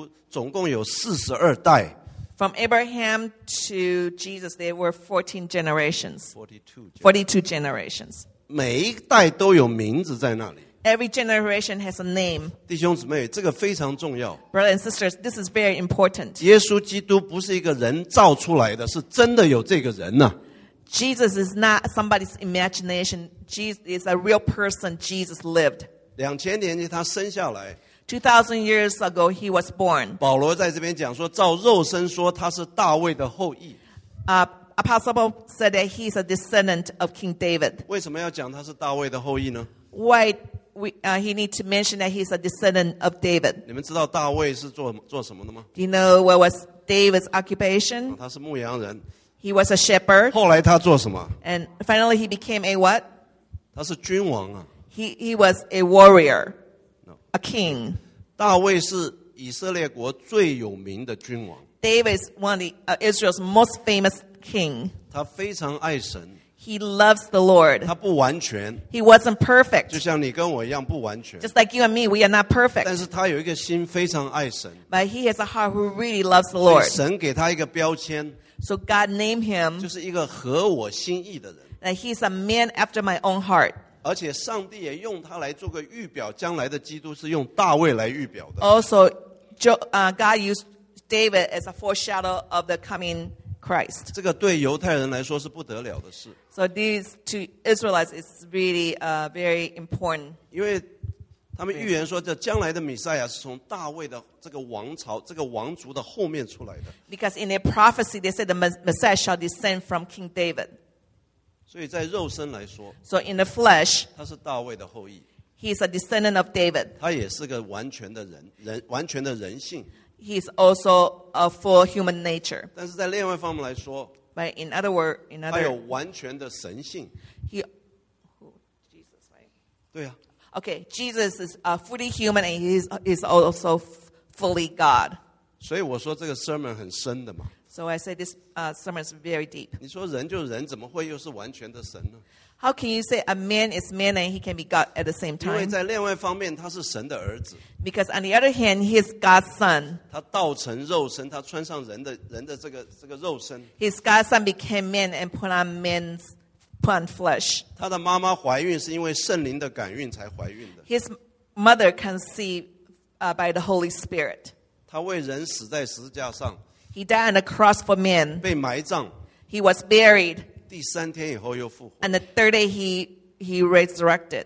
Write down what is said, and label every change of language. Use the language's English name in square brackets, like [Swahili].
[Chinese] 他从亚伯拉罕到主耶稣基督总共有42代, [English] from Abraham to Jesus, there were 14 generations. 42 generations. [Chinese] 每一代都有名字在那里。 [English] Every generation has a name. [Chinese] 弟兄姊妹, 这个非常重要。 [English] Brothers and sisters, this is very important. [Chinese] 耶稣基督不是一个人造出来的, 是真的有这个人呢。 [English] Jesus is not somebody's imagination. Jesus is a real person. Jesus lived. [Chinese] 2000年他生下来, [English] 2,000 years ago, he was born. [Chinese] 保罗在这边讲说, 照肉身说, 他是大卫的后裔。 [English] Apostle Paul said that he's a descendant of King David. [Chinese] 为什么要讲他是大卫的后裔呢? [English] Why he need to mention that he's a descendant of David? [Chinese] 你们知道大卫是做什么的吗? [English] Do you know what was David's occupation? [Chinese] 他是牧羊人。 [English] He was a shepherd. [Chinese] 后来他做什么? [English] And finally, he became a what? [Chinese] 他是君王啊。 [English] He was a warrior. A king. [Chinese] 大卫是以色列国最有名的君王。 [English] David is one of the, Israel's most famous king. [Chinese] 他非常爱神。 [English] He loves the Lord. [Chinese] 他不完全。 [English] He wasn't perfect. [Chinese] 就像你跟我一样不完全。 [English] Just like you and me, we are not perfect. [Chinese] 但是他有一个心非常爱神。 [English] But he has a heart who really loves the Lord. [Chinese] 神给他一个标签。 [English] So God named him. [Chinese] 就是一个合我心意的人。 [English] That he's a man after my own heart. [Chinese] 而且上帝也用他来做个预表，将来的基督是用大卫来预表的。 [English] Also, God used David as a foreshadow of the coming Christ. [Chinese] 这个对犹太人来说是不得了的事。 [English] So these to Israelites is really very important. [Chinese] 因为他们预言说，这将来的弥赛亚是从大卫的这个王朝、这个王族的后面出来的。 [English] Because in their prophecy, they said the Messiah shall descend from King David. [Chinese] 所以在肉身来说 [English] ，So in the flesh, [Chinese] 他是大卫的后裔。 [English] He is a descendant of David. [Chinese] 他也是个完全的人，人完全的人性。 [English] He's also a full human nature. [Chinese] 但是在另外一方面来说 [English] ，But in other word, in other, [Chinese] 他有完全的神性。 [English] He, oh, Jesus, right? [Chinese] 对啊。 [English] Okay, Jesus is a fully human, and he's also fully God. [Chinese] 所以我说这个 sermon 很深的嘛。 [English] So I say this sermon is very deep. [Chinese] 你说人就人，怎么会又是完全的神呢？ [English] How can you say a man is man and he can be God at the same time? [Chinese] 因为在另外一方面，他是神的儿子。 [English] Because on the other hand, he is God's son. [Chinese] 他道成肉身，他穿上人的这个肉身。 [English] His God's son became man and put on man's, put on flesh. [Chinese] 他的妈妈怀孕是因为圣灵的感孕才怀孕的。 [English] His mother conceived by the Holy Spirit. [Chinese] 他为人死在十字架上。 [English] He died on the cross for men. [Chinese] 被埋葬。 [English] He was buried. [Chinese] 第三天以后又复活。 [English] And the third day he resurrected.